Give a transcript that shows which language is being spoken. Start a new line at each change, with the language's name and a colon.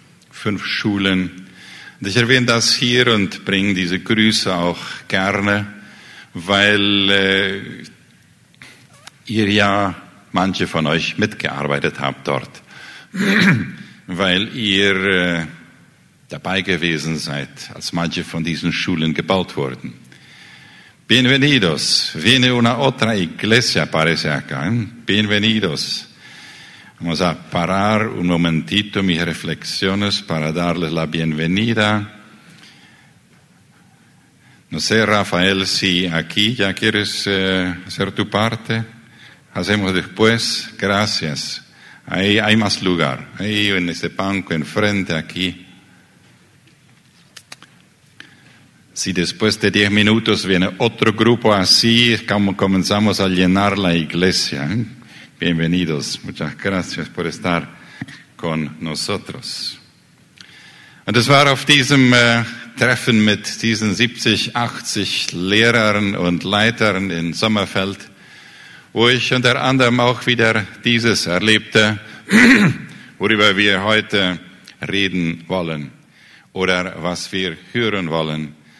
German: Fünf Schulen. Und ich erwähne das hier und bringe diese Grüße auch gerne, weil ihr ja, manche von euch, mitgearbeitet habt dort, weil ihr dabei gewesen seid, als manche von diesen Schulen gebaut wurden.
Spanish: Bienvenidos, viene una otra iglesia, parece acá. Bienvenidos. Vamos a parar un momentito mis reflexiones para darles la bienvenida. No sé, Rafael, si aquí ya quieres hacer tu parte. Hacemos después. Gracias. Ahí hay más lugar. Ahí en este banco enfrente, aquí. Si después de 10 minutos viene otro grupo así, comenzamos a llenar la iglesia. Bienvenidos, muchas gracias por estar con nosotros.
German: Und es war auf diesem Treffen mit diesen 70, 80 Lehrern und Leitern in Sommerfeld, wo ich unter anderem auch wieder dieses erlebte, worüber wir heute reden wollen oder was wir hören wollen.